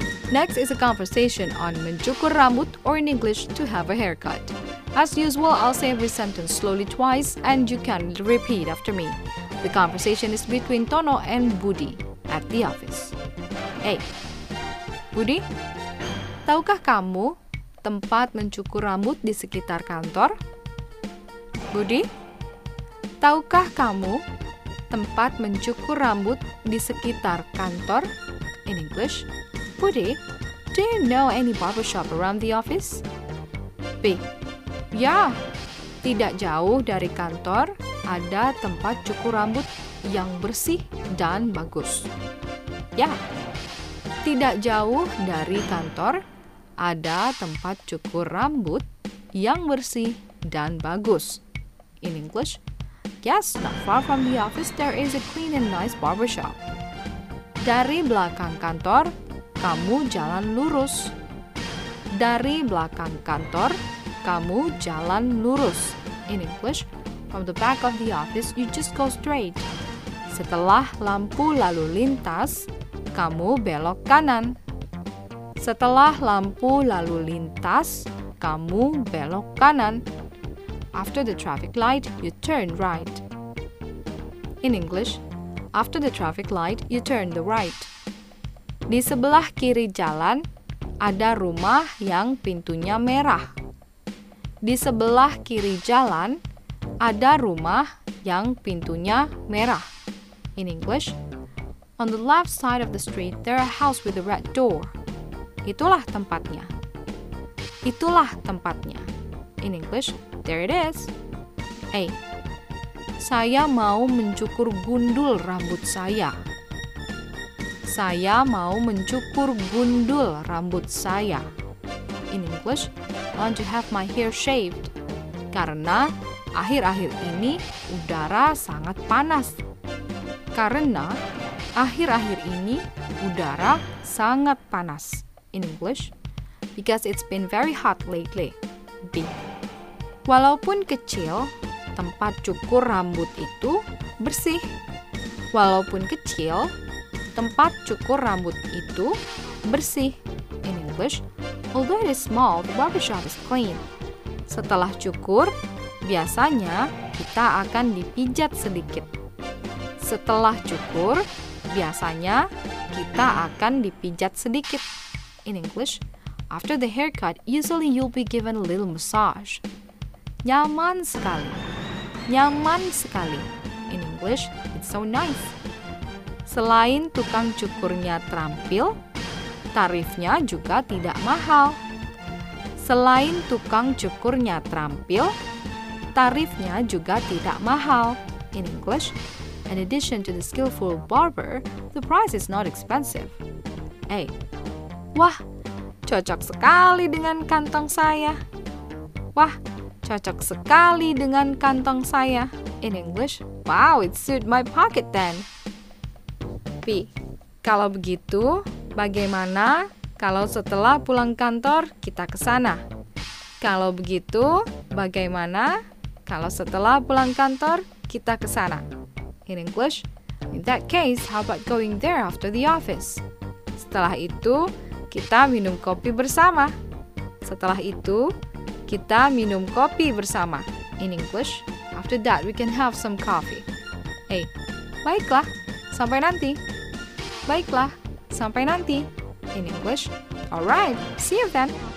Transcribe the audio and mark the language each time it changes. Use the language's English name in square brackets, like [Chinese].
[English] Next is a conversation on [Indonesian] mencukur rambut, [English] or in English, to have a haircut. As usual, I'll say every sentence slowly twice, and you can repeat after me. The conversation is between Tono and Budi at the office. A. Budi, [Indonesian] Tahukah kamu tempat mencukur rambut di sekitar kantor? Budi, tahukah kamu tempat mencukur rambut di sekitar kantor? [English] In English, Budi, do you know any barbershop around the office? [Indonesian] B, ya, tidak jauh dari kantor ada tempat cukur rambut yang bersih dan bagus. Ya, tidak jauh dari kantor ada tempat cukur rambut yang bersih dan bagus. [English] In English, yes, not far from the office there is a clean and nice barbershop. [Indonesian] Dari belakang kantor, kamu jalan lurus. Dari belakang kantor, kamu jalan lurus. [English] In English, from the back of the office, you just go straight. [Indonesian] Setelah lampu lalu lintas, kamu belok kanan. Setelah lampu lalu lintas, kamu belok kanan. [English] After the traffic light, you turn right. In English, after the traffic light, you turn the right. [Indonesian] Di sebelah kiri jalan, ada rumah yang pintunya merah. Di sebelah kiri jalan, ada rumah yang pintunya merah. [English] In English, on the left side of the street, there are a house with a red door. [Indonesian] Itulah tempatnya. Itulah tempatnya. [English] In English, there it is. A. [Indonesian] Saya mau mencukur gundul rambut saya. Saya mau mencukur gundul rambut saya. [English] In English, I want to have my hair shaved. [Indonesian] Karena akhir-akhir ini udara sangat panas. Karena akhir-akhir ini udara sangat panas. [English] In English, because it's been very hot lately. [Indonesian] B. Walaupun kecil, tempat cukur rambut itu bersih. Walaupun kecil, tempat cukur rambut itu bersih. [English] In English, although it is small, the barbershop is clean. [Indonesian] Setelah cukur, biasanya kita akan dipijat sedikit. Setelah cukur, biasanya kita akan dipijat sedikit. [English] In English, after the haircut, usually you'll be given a little massage. [Indonesian] Nyaman sekali. Nyaman sekali. [English] In English, it's so nice. [Indonesian] Selain tukang cukurnya terampil, tarifnya juga tidak mahal. Selain tukang cukurnya terampil, tarifnya juga tidak mahal. [English] In English, in addition to the skillful barber, the price is not expensive. A. [Indonesian] Wah, cocok sekali dengan kantong saya. Wah, cocok sekali dengan kantong saya. [English] In English, wow, it suit my pocket then. [Indonesian] B. Kalau begitu, bagaimana kalau setelah pulang kantor kita ke sana? Kalau begitu, bagaimana kalau setelah pulang kantor kita ke sana? [English] In English, in that case, how about going there after the office? [Indonesian] Setelah itu, kita minum kopi bersama. Setelah itu, kita minum kopi bersama. [English] In English, after that, we can have some coffee. A. [Indonesian] Baiklah, sampai nanti. Baiklah, sampai nanti. [English] In English, alright, see you then.